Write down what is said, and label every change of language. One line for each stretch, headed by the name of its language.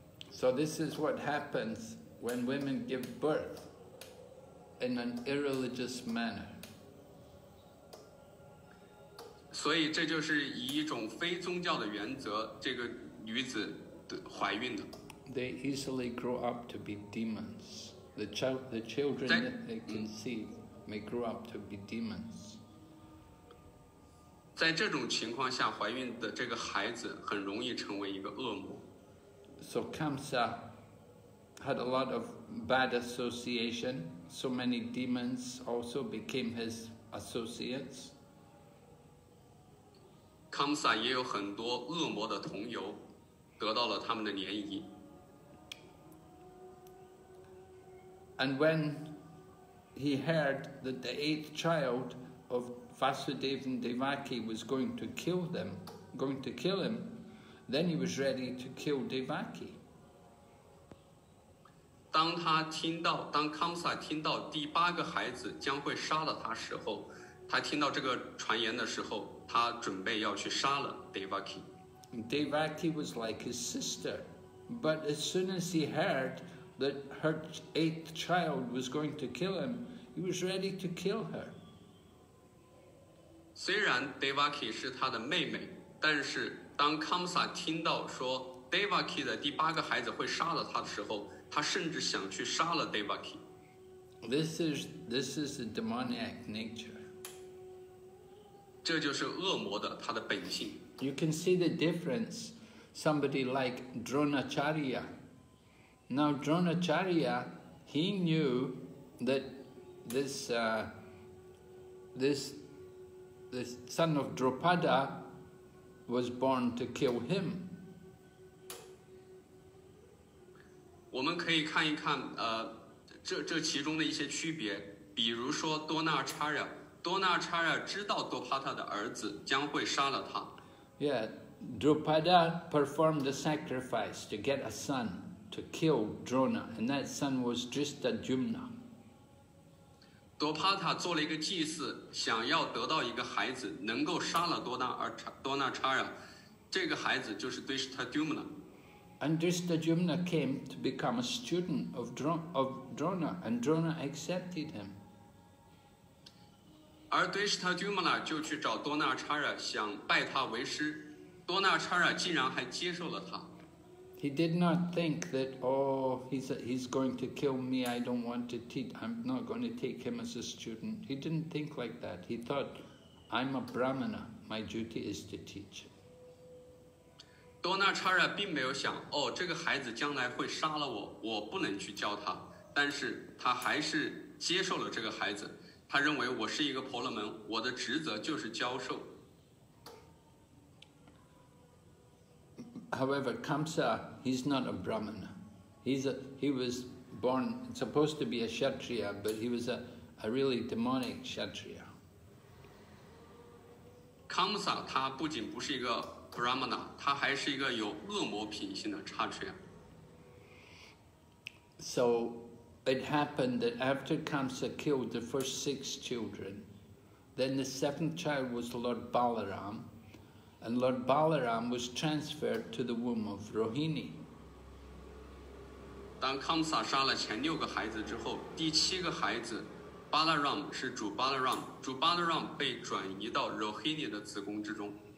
English: So this is what happens when women give birth in an irreligious manner.
Chinese: 所以这就是以一种非宗教的原则，这个女子怀孕的。
English: They easily grow up to be demons. The children that they conceive may grow up to be demons.
Chinese: 在这种情况下，怀孕的这个孩子很容易成为一个恶魔。
English: So Kamsa had a lot of bad association. So many demons also became his associates.
Chinese: Kamsa 也有很多恶魔的同游，得到了他们的涟漪。
English: And when he heard that the eighth child of Vasudev and Devaki was going to kill them, going to kill him, then he was ready to kill Devaki.
Chinese: 当 Kamsa 听到第八个孩子将会杀了他时候，他听到这个传言的时候，他准备要去杀了 Devaki.
English: Devaki was like his sister, but as soon as he heard. That her eighth child was going to kill him, he was ready to kill her.
Chinese: 虽然 Devaki 是他的妹妹，但是当 Kamsa 听到说 Devaki 的第八个孩子会杀了他的时候，他甚至想去杀了 Devaki.
English: This is the demoniac nature.
Chinese: 这就是恶魔的他的本性。
English: You can see the difference. Somebody like Dronacharya. Now Dronacharya, he knew that this son of Draupada was born to kill him.
Chinese: 我们可以看一看这其中的一些区别，比如说多纳查亚知道多帕塔的儿子将会杀了他。
English: Yeah, Draupada performed a sacrifice to get a son. To kill Drona, and that son was Dhrishtadyumna.
Chinese: Dopata 做了一个祭祀，想要得到一个孩子，能够杀了多纳查亚，这个孩子就是 Dhrishtadyumna.
English: And Dhrishtadyumna came to become a student of Drona, and Drona accepted him.
Chinese: 而 Dhrishtadyumna 就去找多纳查亚，想拜他为师，多纳查亚竟然还接受了他。
English: He did not think that, oh, he's going to kill me, I don't want to teach, I'm not going to take him as a student. He didn't think like that. He thought, I'm a brahmana, my duty is to teach.
Chinese: Dronacharya 并没有想，哦，这个孩子将来会杀了我不能去教他。但是他还是接受了这个孩子。他认为我是一个婆罗门，我的职责就是教授。
English: However, Kamsa, he's not a Brahmin. He was born, supposed to be a Kshatriya, but he was a really demonic Kshatriya.
Chinese: Kamsa, 他不仅不是一个 Brahmana, 他还是一个有恶魔品性的 Kshatriya.
English: So it happened that after Kamsa killed the first six children, then the seventh child was Lord Balaram. And Lord Balaram was transferred to the womb of Rohini.
Chinese: 当康萨杀了前六个孩子之后，第七个孩子 ，Balaram 是主 Balaram， 主 Balaram 被转移到 Rohini 的子宫之中。